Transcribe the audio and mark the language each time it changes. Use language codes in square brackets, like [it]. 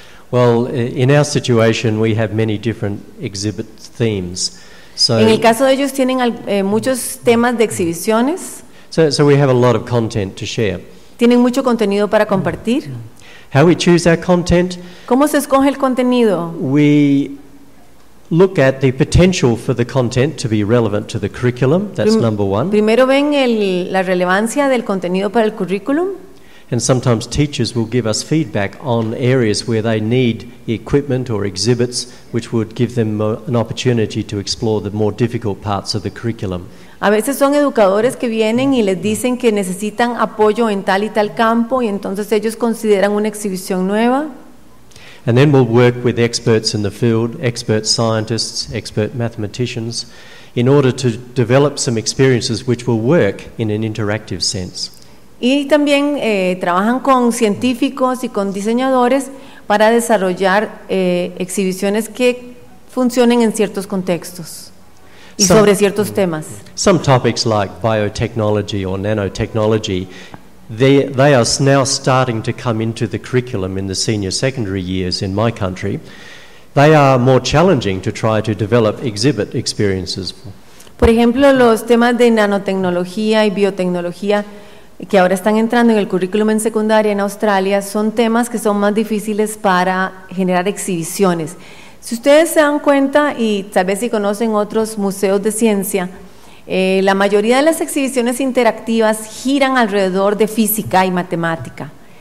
[en] Well, in our situation, we have many different exhibit themes. So, [es] en el caso de ellos tienen muchos temas de exhibiciones. [en] So we have a lot of content to share. [es] Tienen mucho contenido para compartir. [en] How we choose our content? [es] ¿Cómo se escoge el contenido? [en] We look at the potential for the content to be relevant to the curriculum. That's number one. [es] Primero ven la relevancia del contenido para el currículum. [en] And sometimes teachers will give us feedback on areas where they need equipment or exhibits, which would give them an opportunity to explore the more difficult parts of the curriculum. [es] A veces son educadores que vienen y les dicen que necesitan apoyo en tal y tal campo, y entonces ellos consideran una exhibición nueva. [en] And then we'll work with experts in the field, expert scientists, expert mathematicians, in order to develop some experiences which will work in an interactive sense. [es] Y también trabajan con científicos y con diseñadores para desarrollar exhibiciones que funcionen en ciertos contextos y sobre ciertos temas. [en] Some topics like biotechnology or nanotechnology, they are now starting to come into the curriculum in the senior secondary years in my country. They are more challenging to try to develop exhibit experiences. [es] Por ejemplo, los temas de nanotecnología y biotecnología que ahora están entrando en el currículum en secundaria en Australia, son temas que son más difíciles para generar exhibiciones. Si ustedes se dan cuenta, y tal vez si conocen otros museos de ciencia, la mayoría de las exhibiciones interactivas giran alrededor de física y matemática.